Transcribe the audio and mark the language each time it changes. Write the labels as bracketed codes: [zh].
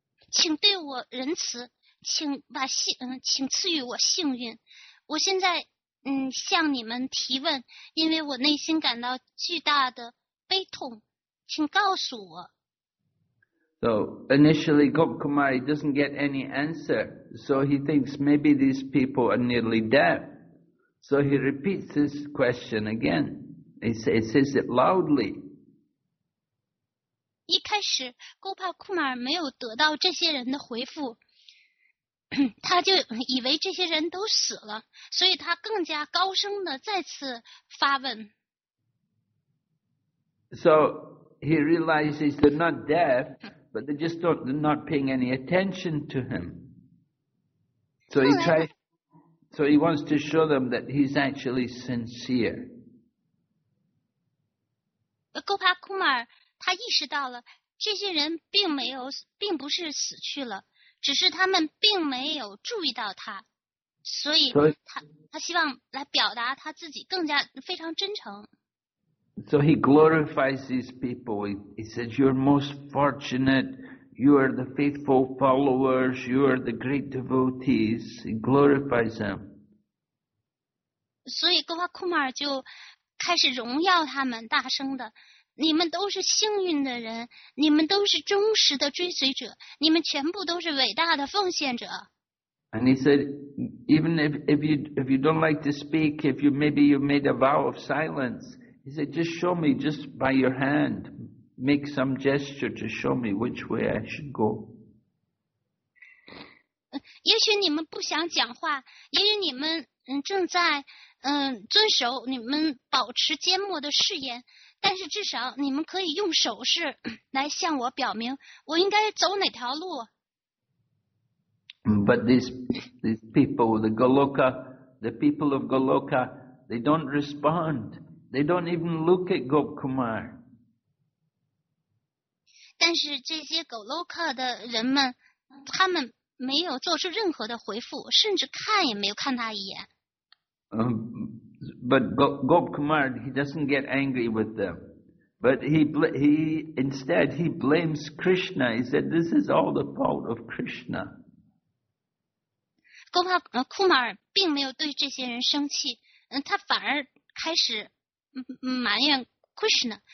[zh] 请对我仁慈，请赐予我幸运。我现在向你们提问，因为我内心感到巨大的悲痛，请告诉我。 [en] So initially, Gop Kumar doesn't get any answer, so he thinks maybe these people are nearly deaf. So he repeats his question again. It says it loudly. [zh] 一开始 Gopal Kumar 没有得到这些人的回复，他就以为这些人都死了，所以他更加高声地再次发问。 [en] So he realizes they're not deaf, but they just don't, they're not paying any attention to him. So he wants to show them that he's actually sincere. [zh] Gopal Kumar 他意识到了这些人并不是死去了，只是他们并没有注意到他，所以 他希望来表达他自己更加非常真诚。 [en] So he glorifies these people. He says, you're most fortunate, you are the faithful followers, you are the great devotees. He glorifies them. [zh] 所以 Gopal Kumar 就开始荣耀他们，大声的，你们都是幸运的人，你们都是忠实的追随者，你们全部都是伟大的奉献者。 [en] And he said, even if you don't like to speak, if you maybe you made a vow of silence, he said, just show me, just by your hand, make some gesture to show me which way I should go. [zh] 也许你们不想讲话，也许你们正在遵守你们保持缄默的誓言，但是至少你们可以用手势来向我表明我应该走哪条路。 [en] But these people, the people of Goloka, they don't respond. They don't even look at Gop Kumar. [zh] 但是这些 Goloka 的人们，他们没有做出任何的回复，甚至看也没有看他一眼。 [en] But Gop Kumar, he doesn't get angry with them. But he instead blames Krishna. He said, this is all the fault of Krishna. [zh] Gopal Kumar 并没有对这些人生气，他反而开始埋怨 Krishna.